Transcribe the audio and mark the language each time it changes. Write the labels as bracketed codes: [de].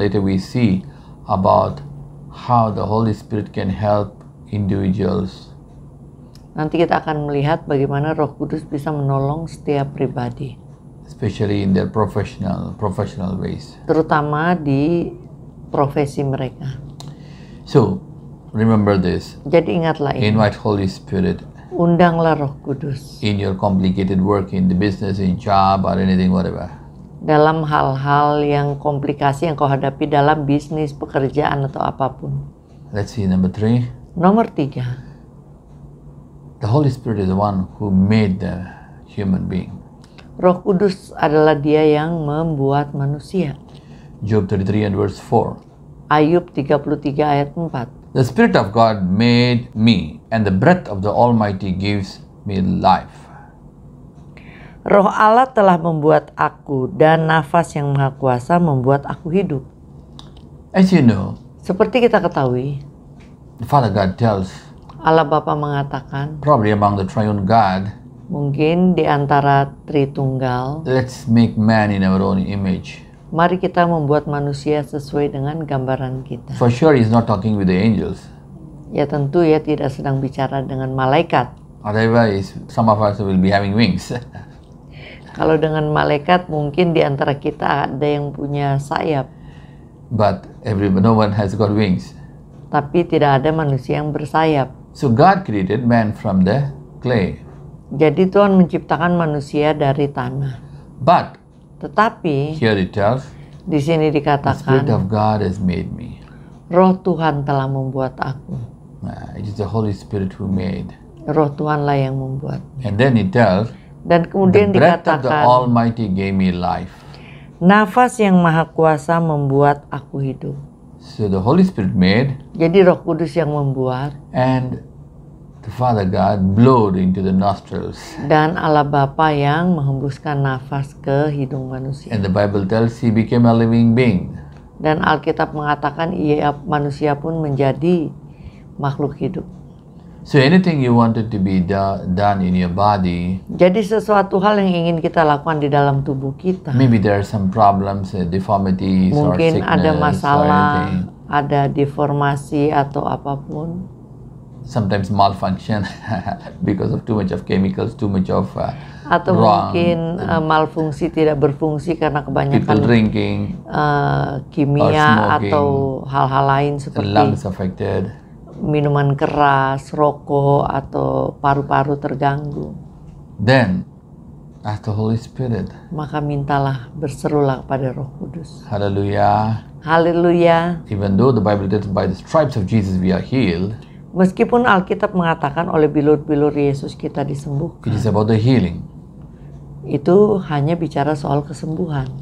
[en] Later we see about how the Holy Spirit can help individuals. [id] Nanti kita akan melihat bagaimana Roh Kudus bisa menolong setiap pribadi. [en] Especially in their professional ways. [id] Terutama di profesi mereka. [en] So, remember this. [id] Jadi ingatlah ini. [en] Invite Holy Spirit. [id] Undanglah Roh Kudus. [en] In your complicated work, in the business, in job, or anything, whatever. [id] Dalam hal-hal yang komplikasi yang kau hadapi dalam bisnis, pekerjaan, atau apapun. [en] Let's see, number three. [id] Nomor tiga. [en] The Holy Spirit is the one who made the human being. [id] Roh Kudus adalah Dia yang membuat manusia. [en] Job 33 and verse 4. [id] Ayub 33 ayat 4. [en] The Spirit of God made me, and the breath of the Almighty gives me life. [id] Roh Allah telah membuat aku, dan nafas yang Maha Kuasa membuat aku hidup. [en] As you know, [id] seperti kita ketahui, [en] the Father God tells, [id] Allah Bapa mengatakan, [en] probably among the triune God, [id] mungkin di antara Tritunggal, [en] let's make man in our own image. [id] Mari kita membuat manusia sesuai dengan gambaran kita. [en] For sure he's not talking with the angels. [id] Ya tentu ya tidak sedang bicara dengan malaikat. [en] Otherwise some of us will be having wings. [id] Kalau dengan malaikat mungkin di antara kita ada yang punya sayap. [en] But no one has got wings. [id] Tapi tidak ada manusia yang bersayap. [en] So God created man from the clay. [id] Jadi Tuhan menciptakan manusia dari tanah. [en] But [id] tetapi [en] here it tells, [id] di sini dikatakan [en] the Spirit of God has made me. [id] Roh Tuhan telah membuat aku. [en] It is the Holy Spirit who made. [id] Roh Tuhanlah yang membuat. [en] And then it tells, [id] dan kemudian [en] the breath [id] dikatakan [en] of the Almighty gave me life. [id] Nafas yang Maha Kuasa membuat aku hidup. [en] So the Holy Spirit made. [id] Jadi Roh Kudus yang membuat. [en] And the Father God blowed into the nostrils. [id] Dan Allah Bapa yang menghembuskan nafas ke hidung manusia. [en] And the Bible tells he became a living being. [id] Dan Alkitab mengatakan ia manusia pun menjadi makhluk hidup. [en] So anything you wanted to be done in your body. [id] Jadi sesuatu hal yang ingin kita lakukan di dalam tubuh kita. [en] Maybe there are some problems, deformities or sickness. [id] Mungkin ada masalah, ada deformasi atau apapun. [en] Sometimes malfunction because of too much of chemicals, too much of [id] atau [en] wrong. [id] Mungkin malfungsi tidak berfungsi karena kebanyakan [en] people drinking, [id] kimia [en] smoking, [id] atau hal-hal lain seperti [en] lungs affected, [id] minuman keras, rokok atau paru-paru terganggu. [en] Then ask the Holy Spirit. [id] Maka mintalah, berserulah kepada Roh Kudus. [en] Hallelujah. [id] Hallelujah. [en] Even though the Bible says by the stripes of Jesus we are healed. [id] Meskipun Alkitab mengatakan oleh bilur-bilur Yesus kita disembuhkan. [en] It is about the healing. [id] Itu hanya bicara soal kesembuhan.